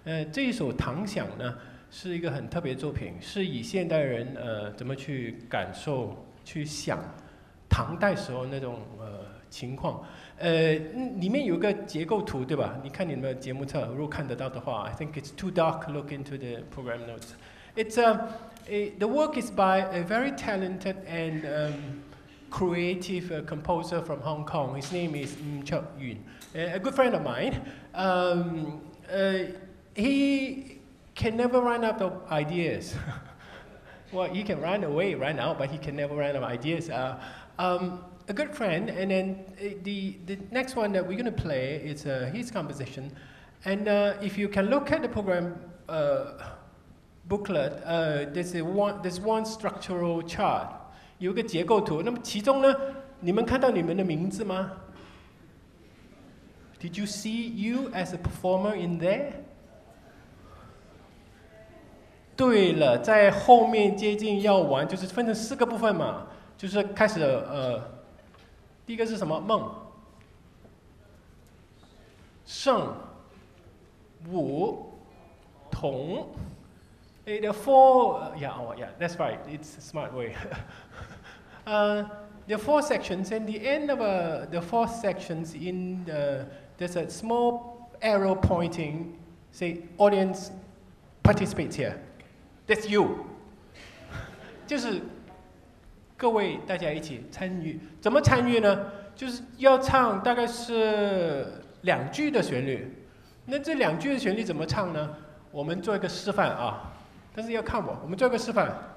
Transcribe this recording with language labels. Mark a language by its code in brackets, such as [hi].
[zh] 这一首《唐响》呢，是一个很特别的作品，是以现代人怎么去感受、去想唐代时候那种情况。里面有一个结构图，对吧？你看你们节目册，如果看得到的话 ， [en] I think it's too dark. Look into the program notes. The work is by a very talented and creative composer from Hong Kong. His name is Ng Chuk Yun, a good friend of mine. He can never run out of ideas. Well, he can run away right now, but he can never run out of ideas. A good friend, and then the next one that we're going to play is his composition. And if you can look at the program booklet, there's one structural chart. [zh] 有一个结构图，那么其中呢，你们看到你们的名字吗？ [en] Did you see you as a performer in there? [zh] 对了，在后面接近要完，就是分成四个部分嘛，就是开始第一个是什么？梦、圣、武、同。 [en] The four, that's right, it's a smart way. The four sections, and the end of the four sections, there's a small arrow pointing, say, audience participates here. That's you. [zh] 就是各位大家一起参与。怎么参与呢？就是要唱大概是两句的旋律。那这两句的旋律怎么唱呢？我们做一个示范啊。但是要看我，我们做个示范。